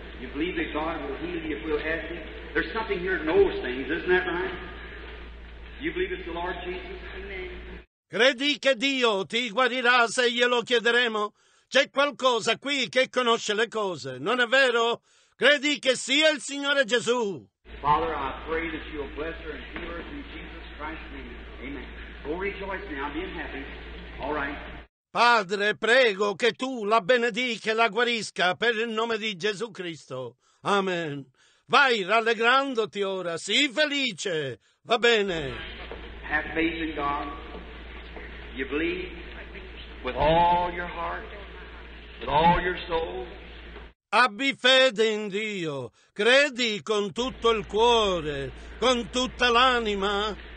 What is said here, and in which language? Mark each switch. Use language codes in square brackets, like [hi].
[en] You believe that God will heal you if we'll ask Him? There's something here that knows things, isn't that right? You believe it's the Lord Jesus? [it] Credi che Dio ti guarirà se glielo chiederemo? C'è qualcosa qui che conosce le cose, non è vero? Credi che sia il Signore Gesù. [en] Father, I pray that you'll bless her and heal her in Jesus Christ's name. Amen. Go rejoice now, being happy. All right. [it] Padre, prego che tu la benedica e la guarisca per il nome di Gesù Cristo. Amen. Vai rallegrandoti ora, sii felice. Va bene. [en] Have faith in God. You believe with all your heart, with all your soul. [it] Abbi fede in Dio, credi con tutto il cuore, con tutta l'anima.